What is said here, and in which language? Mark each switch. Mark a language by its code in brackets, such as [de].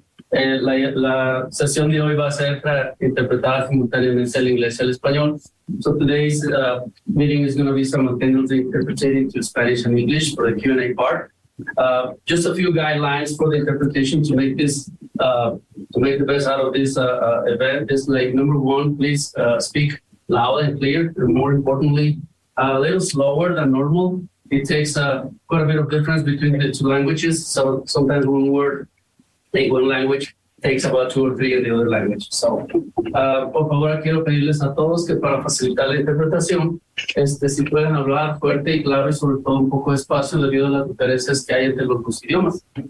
[es] La sesión de hoy va a ser para interpretar simultáneamente el inglés y el español. [en] So today's meeting is going to be simultaneously interpreting to Spanish and English for the Q&A part. Just a few guidelines for the interpretation to make this the best out of this event. Is like, number one, please speak loud and clear. And more importantly, a little slower than normal. It takes quite a bit of difference between the two languages. So sometimes one word in one language takes about two or three in the other language. [es] So, por favor, quiero pedirles a todos que para facilitar la interpretación, si pueden hablar fuerte y claro, y sobre todo un poco despacio debido a las diferencias que hay entre los dos idiomas.